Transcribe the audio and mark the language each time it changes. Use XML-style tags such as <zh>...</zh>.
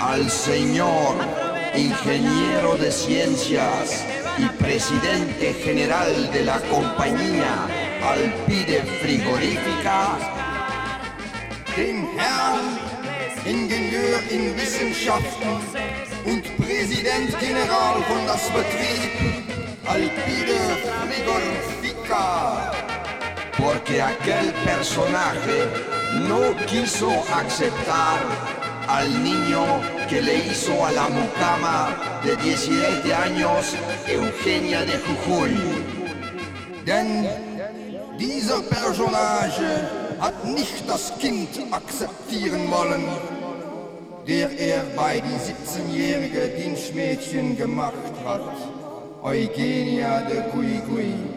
<es>al señor ingeniero de ciencias y presidente general de la compañía Alpide Frigorífica,</es> <de>den Herrn Ingenieur in Wissenschaften und Präsident General von das Betrieb Alpide Frigorífica,</de> <es>porque aquel personaje no quiso aceptar al niño que le hizo a la mucama de 17 años Eugenia de Jujuy.</es> <de>Denn dieser Personage hat nicht das Kind akzeptieren wollen, der er bei die 17-jährige Dienstmädchen gemacht hat, Eugenia de Jujuy.</de>